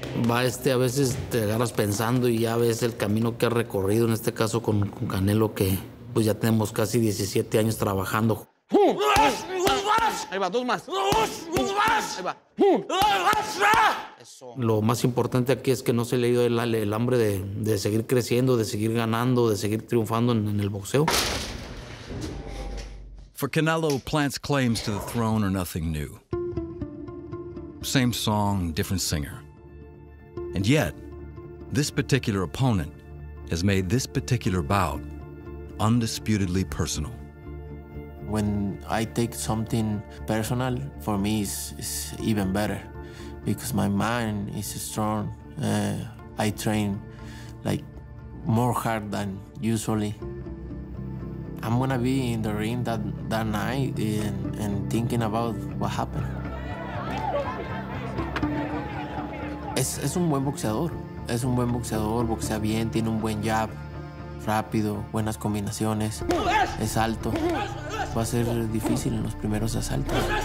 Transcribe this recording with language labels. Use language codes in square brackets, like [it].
[es] Va, a veces te agarras pensando y ya ves el camino que ha recorrido, en este caso con Canelo, que pues ya tenemos casi 17 años trabajando. Ahí va, dos más. Ahí va. Eso. Lo más importante aquí es que no se le ha ido el hambre de seguir creciendo, de seguir ganando, de seguir triunfando en el boxeo. [en] For Canelo, Plant's claims to the throne are nothing new. Same song, different singer. And yet, this particular opponent has made this particular bout undisputedly personal. When I take something personal, for me it's even better because my mind is strong. I train like more hard than usually. I'm gonna be in the ring that night and thinking about what happened. [es] Es un buen boxeador. Es un buen boxeador, boxea bien, tiene un buen jab, rápido, buenas combinaciones, es alto. Va a ser difícil en los primeros asaltos.